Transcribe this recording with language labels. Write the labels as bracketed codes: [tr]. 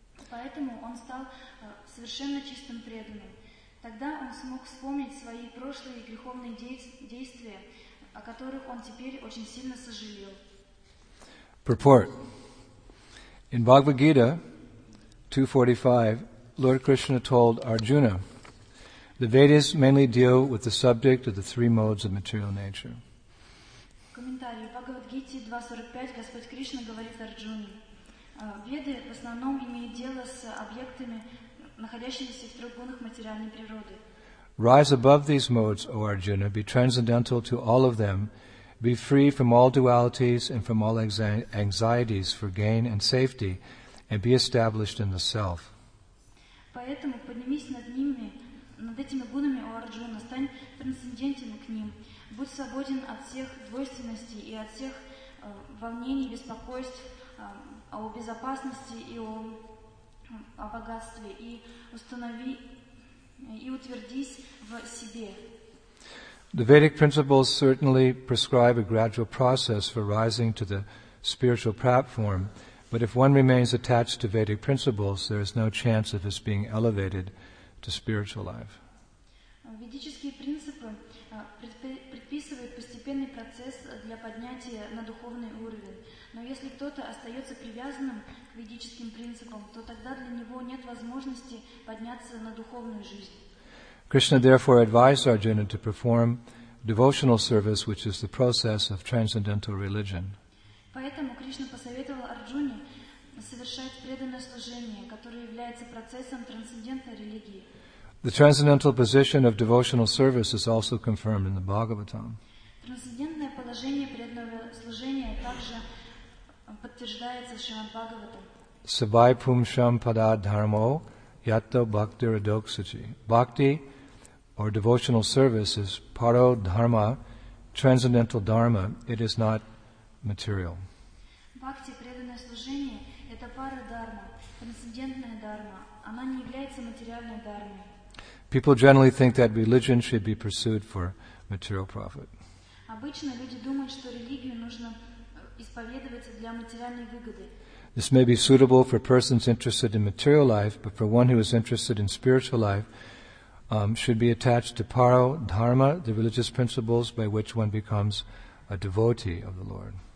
[ru] Поэтому он стал совершенно чистым преданным. Тогда он смог вспомнить свои прошлые греховные действия, о которых он теперь очень сильно сожалел. [en] Purport. In Bhagavad Gita 2.45, Lord Krishna told Arjuna, the Vedas mainly deal with the subject of the three modes of material nature. [ru] Комментарий. В Бхагавад Гите 2.45 Господь Кришна говорит Арджуне, Веды в основном имеют дело с объектами, находящимися в трех гунах материальной природы. [en] Rise above these modes, O Arjuna, be transcendental to all of them, be free from all dualities and from all anxieties for gain and safety, and be established in the Self. [ru] Поэтому поднимись над ними, над этими гунами, О Арджуна, стань трансцендентен к ним, будь свободен от всех двойственностей и от всех волнений, беспокойств, о безопасности и о богатстве, и установи, и утвердись в себе. [en] The Vedic principles certainly prescribe a gradual process for rising to the spiritual platform, but if one remains attached to Vedic principles, there is no chance of his being elevated to spiritual life. [ru] Ведические принципы предписывают постепенный процесс для поднятия на духовный уровень. Но если кто-то остается привязанным к ведическим принципам, то тогда для него нет возможности подняться на духовную жизнь. [en] Krishna therefore advised Arjuna to perform devotional service, which is the process of transcendental religion. [ru] Поэтому Кришна посоветовал Арджуне совершать преданное служение, которое является процессом трансцендентной религии. [en] The transcendental position of devotional service is also confirmed in the Bhagavatam. [ru] Трансцендентное положение преданного служения также подтверждается в Шримад Бхагаватам. [sa] Сабай пумшам пада дхармо ятто бхакти радоксачи. [en] Bhakti, or devotional service, is paro dharma, transcendental dharma. It is not material. [ru] Бхакти, преданное служение, это пара дхарма, трансцендентная дхарма. Она не является материальной дхармой. [en] People generally think that religion should be pursued for material profit. [ru] Обычно люди думают, что религию нужно исповедовать для материальной выгоды. [en] This may be suitable for persons interested in material life, but for one who is interested in spiritual life, should be attached to paro dharma, the religious principles by which one becomes a devotee of the Lord.